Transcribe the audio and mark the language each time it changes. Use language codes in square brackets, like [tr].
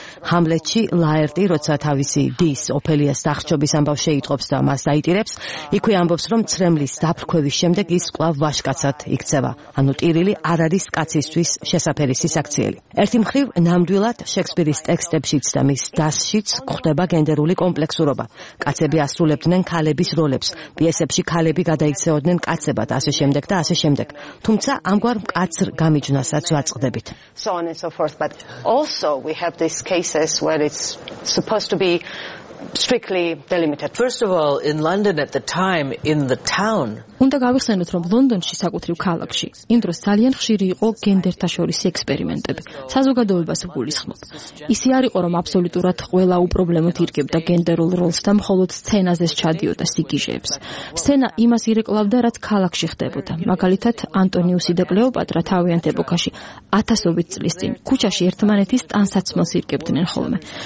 [ka] ჰამლეტში ლაერტი, როცა თავისი დის ოფელიას დახრჩობის ამბავს შეიტყობს და მას დაიტირებს, იქვე ამბობს, რომ ცრემლის დაფრქვევის შემდეგ ის კვლავ ვაჟკაცად იქცევა, ანუ ტირილი არ არის კაცისთვის შესაფერისი საქციელი. ერთი მხრივ, ნამდვილად შექსპირის ტექსტებშიც და მის დასშიც გვხვდება გენდერული კომპლექსურობა. კაცები ასრულებდნენ ქალების როლებს, პიესებში ქალები გადაიქცეოდნენ კაცებად, ასე შემდეგ და ასე შემდეგ. თუმცა ამგვარ მკაცრ გამიჯნას [en] so on and so forth, but also we have these cases where it's supposed to be strictly delimited. First of all, in London at the time, in the town, [ka] უნდა გავიხსენოთ, რომ ლონდონში საკუთრივ ქალაქში იმ დროს ძალიან ხშირი იყო გენდერთა შორის ექსპერიმენტები. საზოგადოებას უგულისხმობ. ისე არ იყო, რომ აბსოლუტურად ყველა უპრობლემოდ ირგებდა გენდერულ როლს და მხოლოდ სცენაზე ჩადიოდა სიგიჟეებს. სცენა იმას ირეკლავდა, რაც ქალაქში ხდებოდა. მაგალითად, ანტონიუსი და კლეოპატრა თავიანთ ეპოქაში ათასობით წლის წინ ქუჩაში ერთმანეთის ტანსაცმელს ირგებდნენ ხოლმე.